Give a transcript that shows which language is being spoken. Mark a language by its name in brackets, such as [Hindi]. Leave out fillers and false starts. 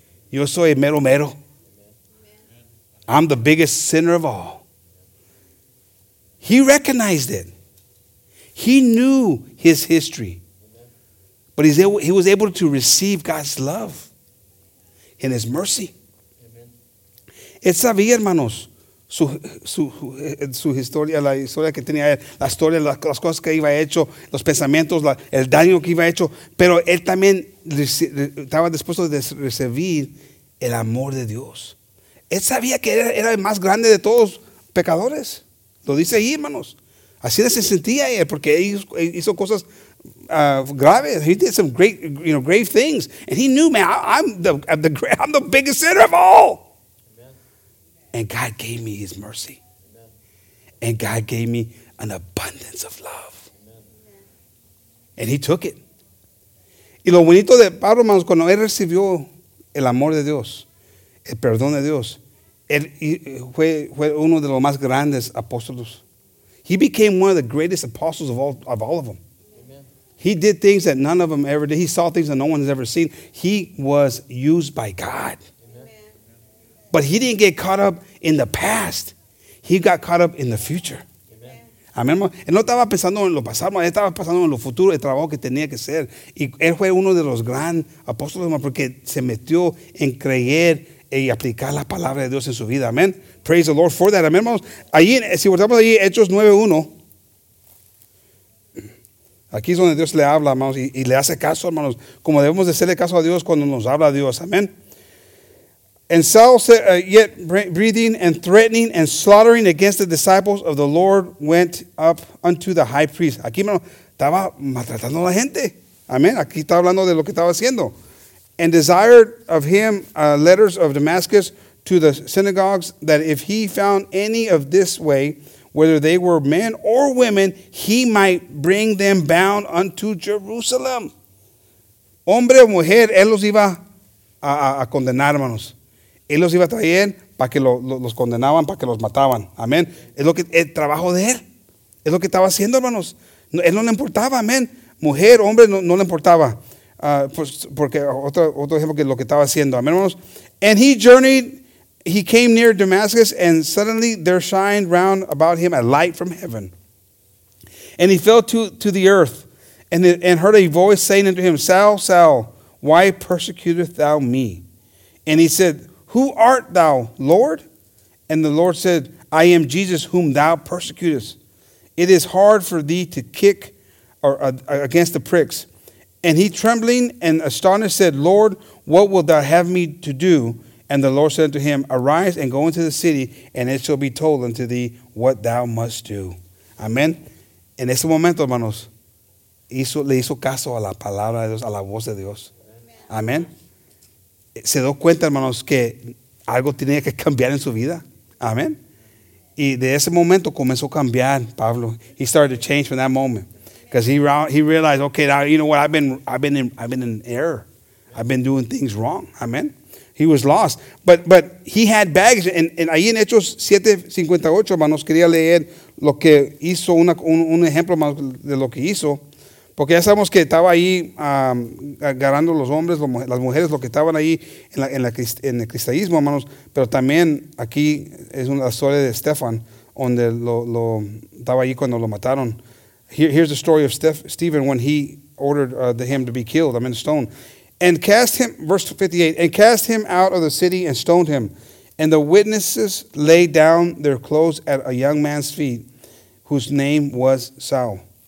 [Spanish] Yo soy mero mero. [English] I'm the biggest sinner of all. He recognized it. He knew his history. But he was able to receive God's love and his mercy. [Spanish] Él sabía, hermanos, su historia, la historia que tenía él, la historia, las cosas que iba a hecho, los pensamientos, el daño que iba a hecho. Pero él también estaba dispuesto a recibir el amor de Dios. Él sabía que era el más grande de todos pecadores. Lo dice ahí, hermanos. Así se sentía él, porque él hizo cosas graves. [English] He did some great, you know, grave things. And he knew, man, I'm the biggest sinner of all. Amen. And God gave me his mercy. Amen. And God gave me an abundance of love. Amen. And he took it. [Spanish] Y lo bonito de Pablo, hermanos, cuando él recibió el amor de Dios, el perdón de Dios, él fue uno de los más grandes apóstoles. [English] He became one of the greatest apostles of all of them. Amen. He did things that none of them ever did. He saw things that no one has ever seen. He was used by God. Amen. But he didn't get caught up in the past. He got caught up in the future. Amén. [Spanish] Él no estaba pensando en lo pasado, él estaba pensando en lo futuro, el trabajo que tenía que hacer. Y él fue uno de los grandes apóstoles, porque se metió en creer y aplicar la palabra de Dios en su vida. Amén. [English] Praise the Lord for that. [Spanish] Amén, hermanos. Allí, si volvemos allí, Hechos 9:1. Aquí es donde Dios le habla, hermanos, y le hace caso, hermanos, como debemos de hacerle caso a Dios cuando nos habla Dios. Amén. [English] And Saul said, yet breathing and threatening and slaughtering against the disciples of the Lord went up unto the high priest. [Spanish] Aquí, hermano, estaba maltratando a la gente. Amén. Aquí está hablando de lo que estaba haciendo. [English] And desired of him letters of Damascus to the synagogues, that if he found any of this way, whether they were men or women, he might bring them bound unto Jerusalem. [Spanish] Hombre o mujer, él los iba a condenar, hermanos. Él los iba a traer para que los condenaban, para que los mataban. Amén. Es lo que el trabajo de él. Es lo que estaba haciendo, hermanos. No, él no le importaba, amén. Mujer, hombre, no le importaba. Porque otro ejemplo que lo que estaba haciendo. Amén, hermanos. [English] And he came near Damascus, and suddenly there shined round about him a light from heaven. And he fell to the earth, and heard a voice saying unto him, Saul, Saul, why persecutest thou me? And he said, Who art thou, Lord? And the Lord said, I am Jesus whom thou persecutest. It is hard for thee to kick against the pricks. And he trembling and astonished said, Lord, what wilt thou have me to do? And the Lord said to him, Arise and go into the city, and it shall be told unto thee what thou must do. Amen. [Spanish] En ese momento, hermanos, le hizo caso a la palabra de Dios, a la voz de Dios. Amen. Se dio cuenta, hermanos, que algo tenía que cambiar en su vida. Amen. Y de ese momento comenzó a cambiar, Pablo. [English] He started to change from that moment. Because he realized, okay, now you know what, I've been in error. I've been doing things wrong. Amen. He was lost. But he had baggage. [Spanish] And ahí en Hechos 7:58, hermanos, quería leer lo que hizo, un ejemplo, hermanos, de lo que hizo. Porque ya sabemos que estaba ahí agarrando los hombres, las mujeres, lo que estaban ahí en el cristianismo, hermanos. Pero también aquí es una historia de Stefan, donde lo estaba ahí cuando lo mataron. [English] Here's the story of Stephen when he ordered him to be killed, I mean stoned. And cast him, verse 58, and cast him out of the city and stoned him. And the witnesses laid down their clothes at a young man's feet, whose name was Saul.